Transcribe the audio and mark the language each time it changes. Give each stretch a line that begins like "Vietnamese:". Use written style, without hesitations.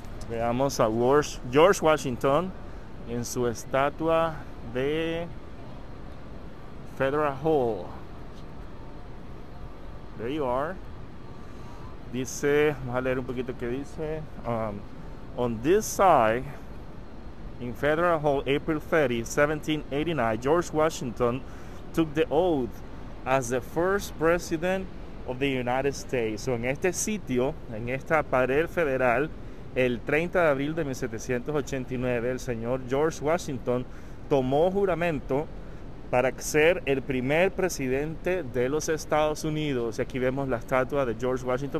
Spanish: Veamos a George Washington en su estatua de Federal Hall.
English: There you are.
Spanish: Dice, vamos a leer un poquito qué dice.
English: On this side, in Federal Hall, April 30, 1789, George Washington took the oath as the first president of the United States.
Spanish: So, en este sitio, en esta pared federal, el 30 de abril de 1789, el señor George Washington tomó juramento para ser el primer presidente de los Estados Unidos. Y aquí vemos la estatua de George Washington.